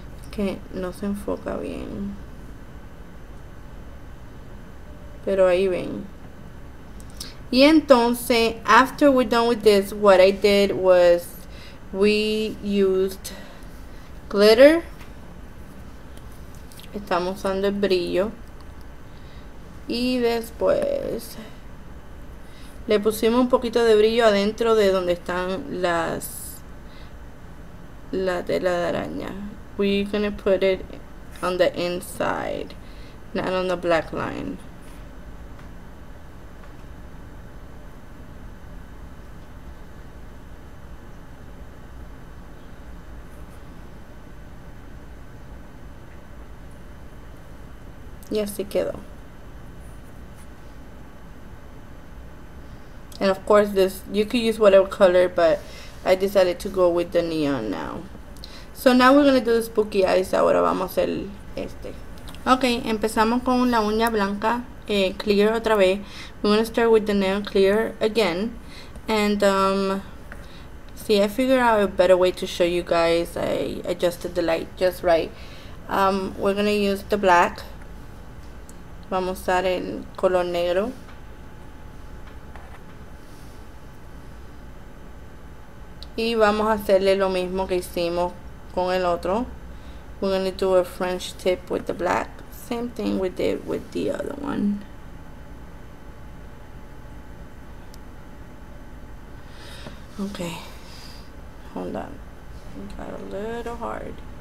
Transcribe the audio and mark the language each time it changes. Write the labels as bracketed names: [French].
[Spanish] Que no se enfoca bien. Pero ahí ven. Y entonces, [English] after we're done with this, what I did was we used glitter. [Spanish] Estamos usando el brillo. Y después le pusimos un poquito de brillo adentro de donde están la tela de araña. [English] We're gonna put it on the inside, not on the black line. [Spanish] Y así quedó. [English] And of course this, you could use whatever color, but I decided to go with the neon now. So now we're gonna do the spooky eyes. [Spanish] Ahora vamos a hacer este. Ok, empezamos con la uña blanca, clear otra vez. [English] We're gonna start with the nail clear again. And see, I figured out a better way to show you guys. I adjusted the light just right. We're gonna use the black. [Spanish] Vamos a usar el color negro. Y vamos a hacerle lo mismo que hicimos con el otro. [English] We're going to do a French tip with the black. Same thing we did with the other one. Okay. Hold on. Got a little hard.